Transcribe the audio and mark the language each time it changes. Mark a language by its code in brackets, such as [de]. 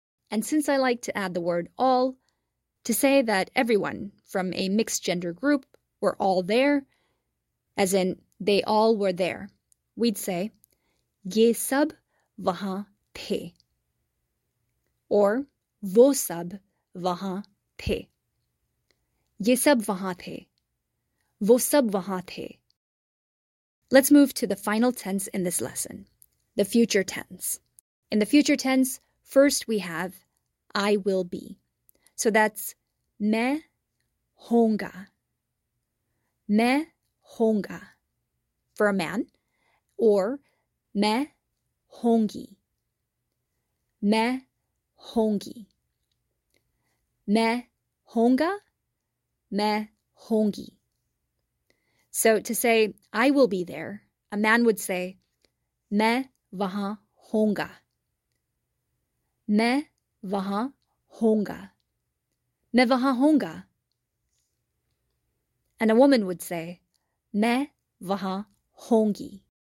[en] And since I like to add the word all, to say that everyone from a mixed gender group were all there, as in they all were there, we'd say [hi] ये सब वहां थे [en] or [hi] वो सब वहां थे. ये सब वहां थे. वो सब वहां थे. [en] Let's move to the final tense in this lesson, the future tense. In the future tense, first we have I will be. So that's [hi] मैं होऊंगा. मैं होऊंगा [en] for a man, or [hi] मैं होऊंगी. मैं होऊंगी. मैं होऊंगा. मैं होऊंगी. [en] So to say I will be there, a man would say [hi] मैं वहां होऊंगा. मैं वहां होऊंगा. मैं वहां होऊंगा. [en] And a woman would say [hi] मैं वहां hongi.